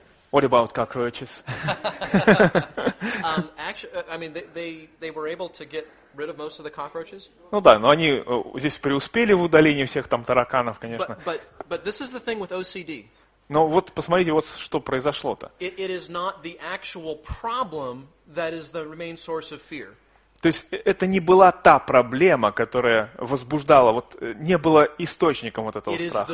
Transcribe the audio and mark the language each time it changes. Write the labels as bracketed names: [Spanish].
[English] What about cockroaches? they were able to get rid of most of the cockroaches. [Russian] Ну да, но они здесь преуспели в удалении всех там тараканов, конечно. [English] But this is the thing with OCD. [Russian] Но вот посмотрите, вот что произошло-то. [English] It is not the actual problem that is the main source of fear. [Russian] То есть это не была та проблема, которая возбуждала, вот не была источником вот этого страха.